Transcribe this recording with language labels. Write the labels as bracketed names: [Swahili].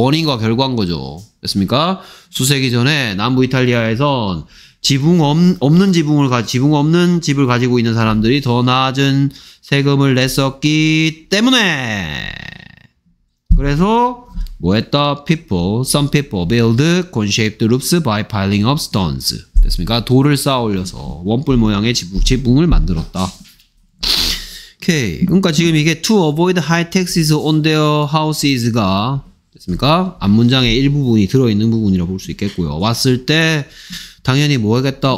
[Korean] 원인과 결과인 거죠. 됐습니까? 수세기 전에 남부 이탈리아에선 지붕 없는 집을 가지고 있는 사람들이 더 낮은 세금을 냈었기 때문에 그래서 뭐 했다? [English] Some people build cone-shaped roofs by piling up stones. [Korean] 됐습니까? 돌을 쌓아 올려서 원뿔 모양의 지붕을 만들었다. 오케이. 그러니까 지금 이게 [English] to avoid high taxes on their houses [Korean] 가 됐습니까? 앞문장의 일부분이 들어있는 부분이라고 볼 수 있겠고요. 왔을 때 당연히 뭐했겠다?